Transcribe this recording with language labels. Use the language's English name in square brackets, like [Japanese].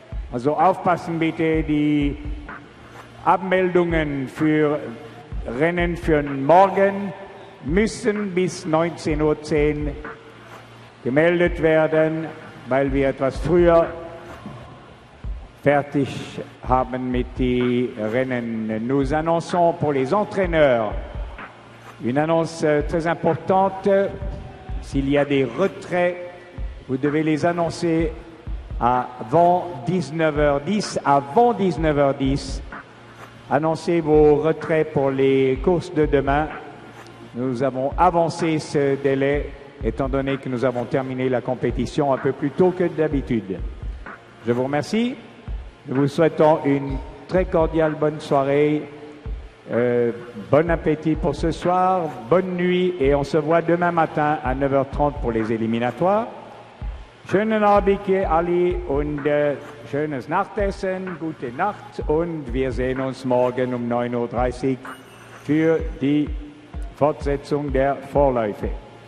[German] Also aufpassen bitte, die Abmeldungen für Rennen für morgen müssen bis 19.10 Uhr gemeldet werden, weil wir etwas früher fertig haben mit den Rennen. [French] Nous annonçons pour les entraîneurs une annonce très importante. S'il y a des retraits, vous devez les annoncer avant 19h10. Avant 19h10, annoncez vos retraits pour les courses de demain. Nous avons avancé ce délai, étant donné que nous avons terminé la compétition un peu plus tôt que d'habitude. Je vous remercie. Nous vous souhaitons une très cordiale bonne soirée. Bon appétit pour ce soir. Bonne nuit. Et on se voit demain matin à 9h30 pour les éliminatoires. [German] Schönen Abend, Ali, und schönes Nachtessen. Gute Nacht. Und wir sehen uns morgen 9:30 Uhr für die Fortsetzung der Vorläufe.